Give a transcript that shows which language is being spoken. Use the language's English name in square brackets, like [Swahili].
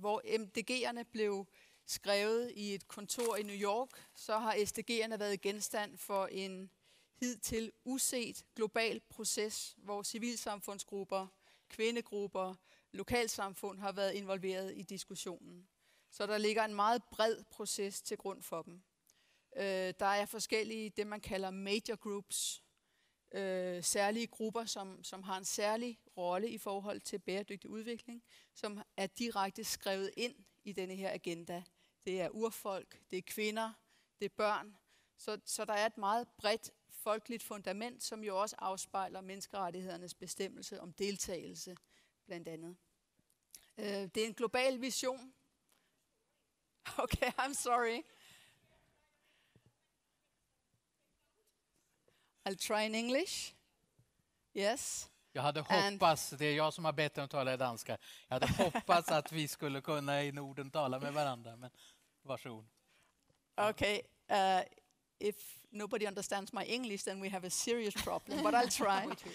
[Danish] Hvor MDG'erne blev skrevet i et kontor i New York, så har SDG'erne været genstand for en hidtil uset global proces, hvor civilsamfundsgrupper, kvindegrupper, lokalsamfund har været involveret i diskussionen. Så der ligger en meget bred proces til grund for dem. Der er forskellige, det man kalder major groups, [Swedish] särskilda grupper som har en särskild roll i förhållande till bärdyktig utveckling, som är direkt skrivet in i den här agenda. Det är urfolk, det är kvinnor, det är barn. Så det är ett mycket brett folkligt fundament som ju också avspeglar mänsklighetens bestämmelse om deltagelse bland annat. Det är en global vision. [English] Okay, I'm sorry. I'll try in English. Yes. [Swedish] Jag hade hoppats, det är jag som har bett att tala i danska. Jag hade hoppats att vi skulle kunna i Norden tala med varandra, men varsågod. [English] Okay, if nobody understands my English, then we have a serious problem, but I'll try.